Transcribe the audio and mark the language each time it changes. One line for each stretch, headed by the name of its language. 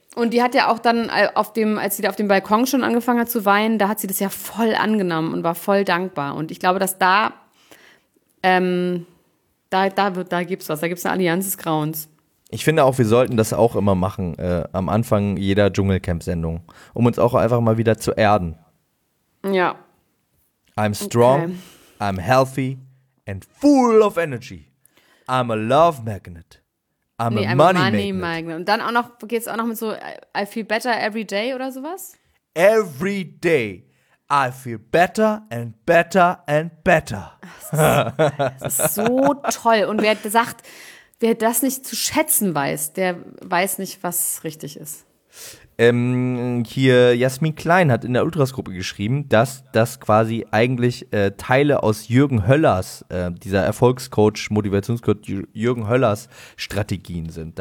German: Und die hat ja auch dann, als sie da auf dem Balkon schon angefangen hat zu weinen, da hat sie das ja voll angenommen und war voll dankbar. Und ich glaube, dass da gibt's was, da gibt's eine Allianz des Grauens. Ich finde auch, wir sollten das auch immer machen, am Anfang jeder Dschungelcamp-Sendung, um uns auch einfach mal wieder zu erden. Ja.
English: I'm strong, okay. I'm healthy and full of energy. I'm a love magnet. I'm a money magnet.
German: Und dann auch noch, geht's auch noch mit so,
English: I feel better every day
German: oder sowas?
English: Every day. I feel better and better and better.
German: Das ist so toll. Und wer sagt, wer das nicht zu schätzen weiß, der weiß nicht, was richtig ist. Hier Jasmin Klein hat in der Ultras-Gruppe geschrieben, dass das quasi eigentlich Teile aus Jürgen Höllers, dieser Erfolgscoach, Motivationscoach Jürgen Höllers Strategien sind.